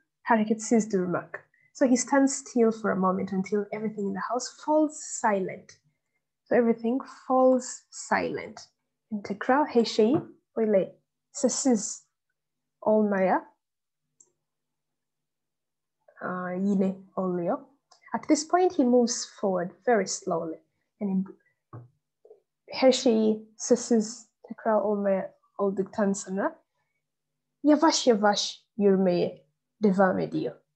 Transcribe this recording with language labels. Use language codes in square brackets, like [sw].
[en] hareketsiz durmak. So he stands still for a moment until everything in the house falls silent. So everything falls silent. [tr] Tekrar her şey böyle sessiz olmaya yine oluyor. [en] At this point he moves forward very slowly. [tr] Yani her şey sessiz tekrar olmaya olduktan sonra yavaş yavaş yürümeye devam ediyor.